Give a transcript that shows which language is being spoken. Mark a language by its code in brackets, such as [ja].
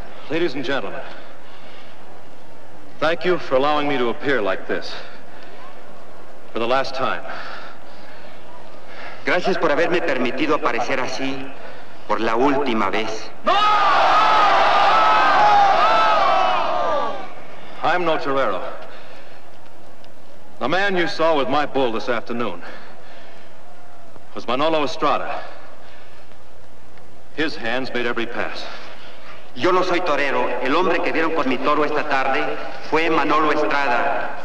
[en] Ladies and gentlemen, thank you for allowing me to appear like this for the last time. [es] Gracias por haberme permitido aparecer así por la última vez. [en] No! I'm no torero. The man you saw with my bull this afternoon was Manolo Estrada. His hands made every pass. [es] Yo no soy torero. El hombre que vieron con mi toro esta tarde fue Manolo Estrada.